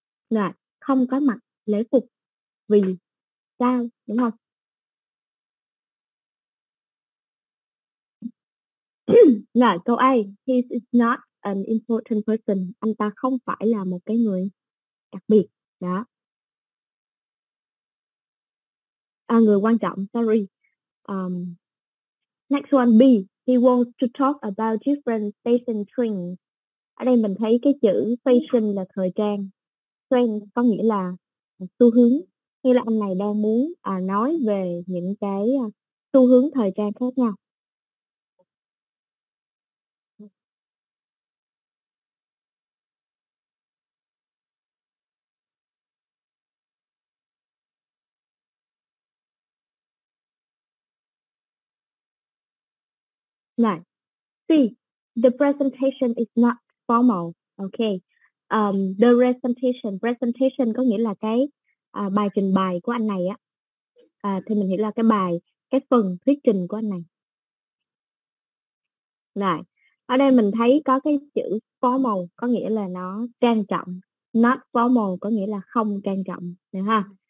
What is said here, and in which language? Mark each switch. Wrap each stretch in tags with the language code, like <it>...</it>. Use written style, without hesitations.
<vi>Là không có mặc lễ phục vì sao, đúng không? Là câu A,</vi> <en>he is not an important person.</en> <vi>Anh ta không phải là một cái người đặc biệt, đó. À, người quan trọng, sorry.</vi> <en>Next one, B, he wants to talk about different fashion trends.</en> <vi>Ở đây mình thấy cái chữ fashion là thời trang. Trend có nghĩa là xu hướng, như là anh này đang muốn nói về những cái xu hướng thời trang khác nhau.</vi> <en>Này, see, the presentation is not formal, okay.</en> <vi>The presentation có nghĩa là cái bài trình bày của anh này á, thì mình hiểu là cái bài, cái phần thuyết trình của anh này. Rồi, ở đây mình thấy có cái chữ formal có nghĩa là nó trang trọng, not formal có nghĩa là không trang trọng, được ha.</vi>